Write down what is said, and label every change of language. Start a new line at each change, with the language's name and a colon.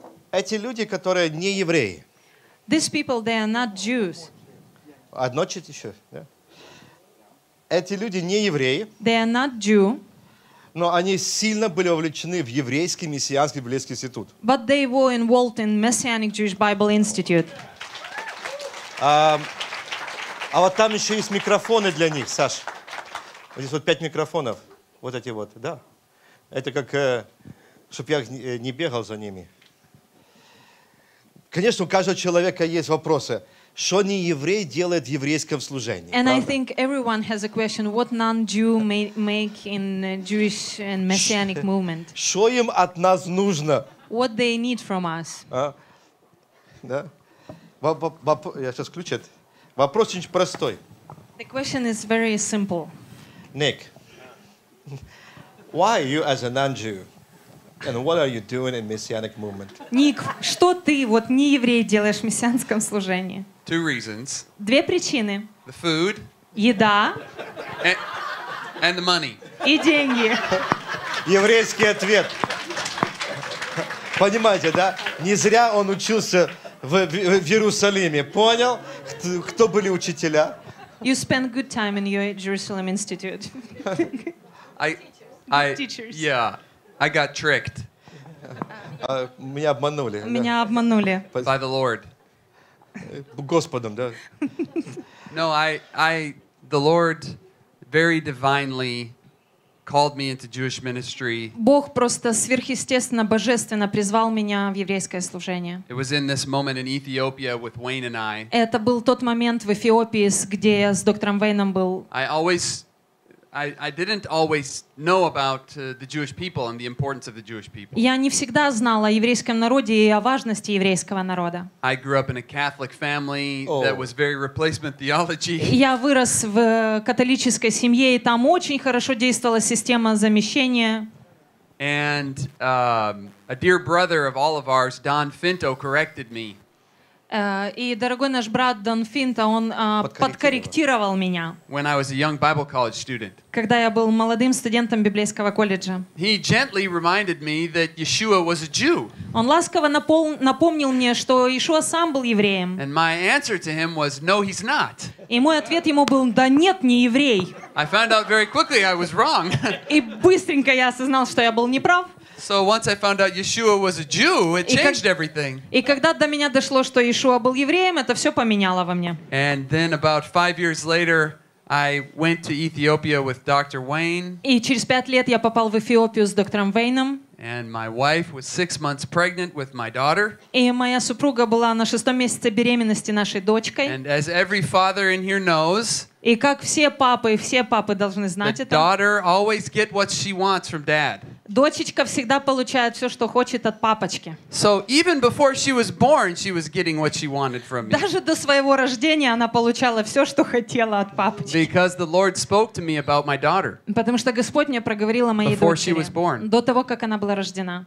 Russian: Эти люди, которые не евреи.
English: These people, they are not Jews.
Russian: Одно чуть еще, да? Эти люди не евреи.
English: They are not Jew.
Russian: Но они сильно были вовлечены в еврейский мессианский библейский институт.
English: But they were involved in Messianic Jewish Bible Institute.
Russian: А вот там еще есть микрофоны для них, Саш. Вот здесь вот пять микрофонов. Вот эти вот, да. Это как, чтобы я не бегал за ними. Конечно, у каждого человека есть вопросы. Что не еврей делает в еврейском служении?
English: And I think everyone has a question: what non-Jew make in Jewish and messianic movement?
Russian: Что им от нас нужно?
English: What they need from us?
Russian: Да? Я сейчас включу. Вопрос очень простой.
English: The question is very simple. Nick, why are you as a non-Jew, and what are you doing in messianic movement?
Russian: Ник, что ты вот не еврей делаешь в мессианском служении?
English: Two reasons.
Russian: Две причины.
English: The food.
Russian: Еда.
English: And the money.
Russian: И деньги. Еврейский ответ. Понимаете, да? Не зря он учился в Иерусалиме. Понял, кто были учителя?
English: You spend good time in your Jerusalem Institute. Teachers. Yeah, I got tricked.
Russian: Меня обманули. Меня обманули.
English: By the Lord.
Russian: Господом, да?
English: No, I, the Lord very divinely called me into Jewish ministry.
Russian: Бог просто сверхъестественно, божественно призвал меня в еврейское служение.
English: It was in this moment in Ethiopia with Wayne and I.
Russian: Это был тот момент в Эфиопии, где я с доктором Вейном был.
English: I didn't always know about the Jewish people and the importance of the Jewish people.
Russian: Я не всегда знал о еврейском народе и о важности еврейского народа.
English: I grew up in a Catholic family that was very replacement theology.
Russian: Я вырос в католической семье, и там очень хорошо действовала система замещения.
English: And a dear brother of all of ours, Don Finto, corrected me.
Russian: И дорогой наш брат Дон Финта, он подкорректировал меня.
English: When I was a young Bible college student.
Russian: Когда я был молодым студентом библейского колледжа.
English: He gently reminded me that Yeshua was a Jew.
Russian: Он ласково напомнил мне, что Иешуа сам был евреем.
English: And my answer to him was, no, he's not.
Russian: И мой ответ ему был, да нет, не еврей.
English: I found out very quickly I was wrong.
Russian: И быстренько я осознал, что я был неправ.
English: So once I found out Yeshua was a Jew, it changed everything.
Russian: И когда до меня дошло, что Иешуа был евреем, это все поменяло во мне.
English: And then about 5 years later, I went to Ethiopia with Dr. Wayne.
Russian: И через 5 лет я попал в Эфиопию с доктором Вейном.
English: And my wife was 6 months pregnant with my daughter.
Russian: И моя супруга была на 6-м месяце беременности нашей дочкой.
English: And as every father in here knows,
Russian: и как все папы должны знать это,
English: the daughter always gets what she wants from dad.
Russian: Дочечка всегда получает все, что хочет от папочки.
English: So even before she was born, she was getting what she wanted from me.
Russian: Даже до своего рождения она получала все, что хотела от папочки.
English: Because the Lord spoke to me about my daughter.
Russian: Потому что Господь мне проговорил о моей дочери.
English: Before she was born.
Russian: До того, как она была рождена.